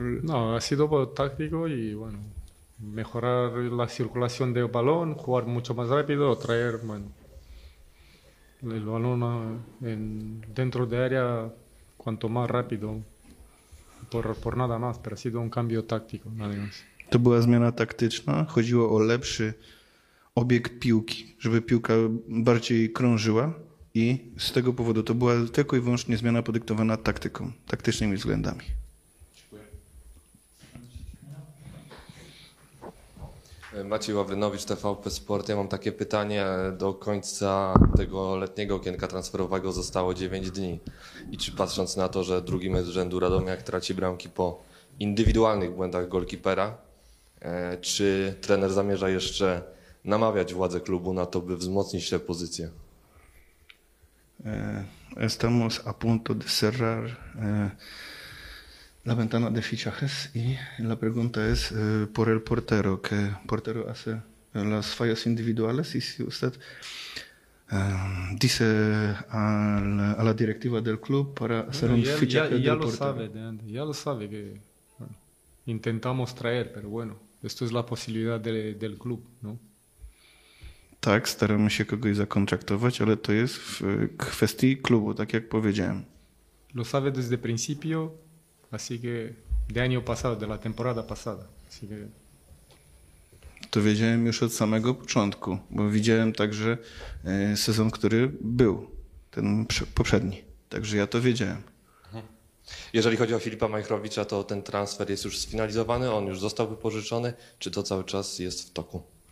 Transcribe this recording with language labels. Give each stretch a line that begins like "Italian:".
Spanish: No, ha sido por táctico y bueno, mejorar la circulación del balón, jugar mucho más rápido, traer... Bueno. El balón dentro de área, cuanto más rápido, por nada más, pero ha sido un cambio táctico. Nada más.
Polish: To była zmiana taktyczna? Chodziło o lepszy obieg piłki, żeby piłka bardziej krążyła i z tego powodu to była tylko i wyłącznie zmiana podyktowana taktyką, taktycznymi względami. Maciej Ławrynowicz, TVP Sport. Ja mam takie pytanie. Do końca tego letniego okienka transferowego zostało 9 dni. I czy patrząc na to, że drugi mecz rzędu Radomiak traci bramki po indywidualnych błędach golkipera, czy trener zamierza jeszcze namawiać władze klubu na to, by wzmocnić tę pozycję?
Spanish: Estamos a punto de cerrar la ventana de fichajes y la pregunta es por el portero, que portero hace las fallas individuales y si usted dice a la directiva del club para hacer bueno, un fichaje ya del portero. Sabe, ya lo sabe que bueno, intentamos traer, pero bueno, esto es la posibilidad del club, ¿no?
Polish: Tak, staramy się kogoś zakontraktować, ale to jest w kwestii klubu, tak jak powiedziałem.
Spanish: Lo sabe desde principio. Así que de año pasado, de la temporada pasada. Así que...
Polish: To wiedziałem już od samego początku, bo widziałem także sezon, który był, ten poprzedni. Także ja to wiedziałem. Jeżeli chodzi o Filipa Majchrowicza, to ten transfer jest już sfinalizowany, on już został wypożyczony, czy to cały czas jest w toku?